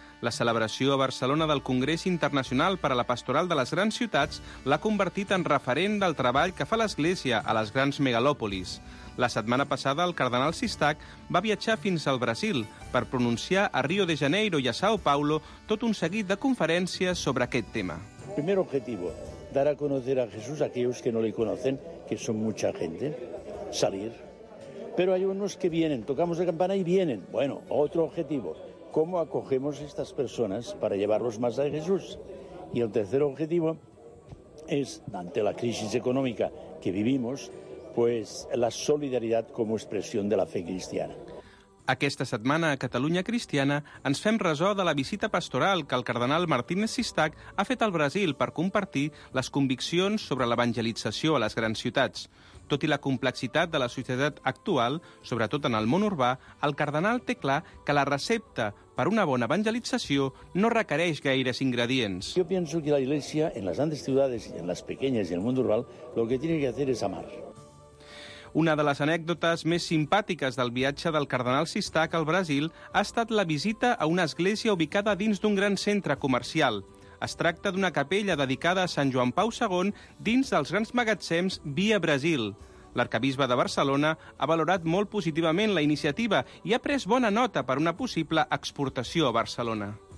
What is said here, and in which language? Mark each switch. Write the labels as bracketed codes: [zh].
[ca] La celebració a Barcelona del Congrés Internacional per a la Pastoral de les Grans Ciutats l'ha convertit en referent del treball que fa l'Església a les grans megalòpolis. La setmana passada, el cardenal Sistac va viatjar fins al Brasil per pronunciar a Rio de Janeiro i a São Paulo tot un seguit de conferències sobre aquest tema. [es] Primer objetivo, dar a conocer a Jesús a aquellos que no le conocen, que son mucha gente, salir. Pero hay unos que vienen, tocamos la campana y vienen. Bueno, otro objetivo, ¿cómo acogemos a estas personas para llevarlos más a Jesús? Y el tercer objetivo es, ante la crisis económica que vivimos, pues la solidaridad como expresión de la fe cristiana. [ca] Aquesta setmana a Catalunya Cristiana ens fem ressò de la visita pastoral que el cardenal Martínez Sistac ha fet al Brasil per compartir les conviccions sobre l'evangelització a les grans ciutats. Tot i la complexitat de la societat actual, sobretot en el món urbà, el cardenal té clar que la recepta per una bona evangelització no requereix gaires ingredients. [es] Yo pienso que la iglesia en las grandes ciudades y en las pequeñas y en el mundo rural lo que tiene que hacer es amar. [ca] Una de les anècdotes més simpàtiques del viatge del cardenal Sistac al Brasil ha estat la visita a una església ubicada dins d'un gran centre comercial. Es tracta d'una capella dedicada a Sant Joan Pau II dins dels grans magatzems Via Brasil. L'arcabisbe de Barcelona ha valorat molt positivament la iniciativa i ha pres bona nota per una possible exportació a Barcelona.